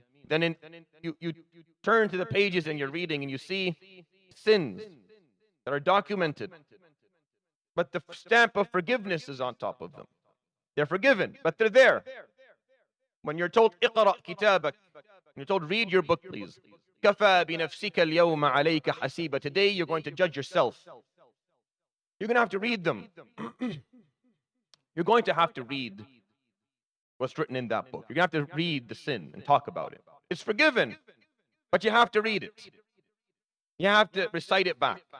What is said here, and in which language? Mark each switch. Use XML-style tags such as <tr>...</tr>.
<en>Then you turn to the pages and you're reading, and you see sins that are documented. But the stamp of forgiveness is on top of them. They're forgiven, but they're there. When you're told,</en> <ar>اقرأ كتابك,</ar> <en>when you're told, read your book, please.</en> <ar>كفى بنفسك اليوم عليك حسيبا.</ar> <en>Today, you're going to judge yourself. You're going to have to read them. You're going to have to read what's written in that book. You're going to have to read the sin and talk about it. It's forgiven, but you have to read it. You have to recite it back.</en>